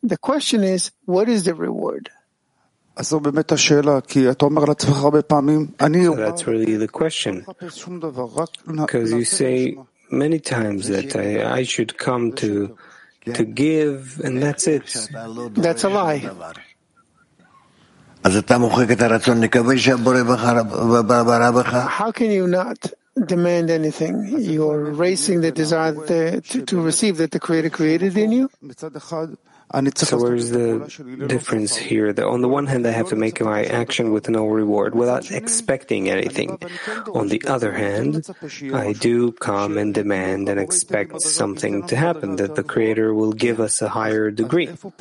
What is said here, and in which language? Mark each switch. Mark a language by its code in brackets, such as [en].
[en] The question is, what is the reward? So that's really the question. Because you say many times that I should come to give, and that's it. That's a lie. [he] אז אתה מוחק את הרצון לקבל שהבורא בחר בבר בחר. [en] How can you not demand anything. You're erasing the desire that to receive that the Creator created in you. So where's the difference here? That on the one hand, I have to make my action with no reward, without expecting anything. On the other hand, I do come and demand and expect something to happen, that the Creator will give us a higher degree.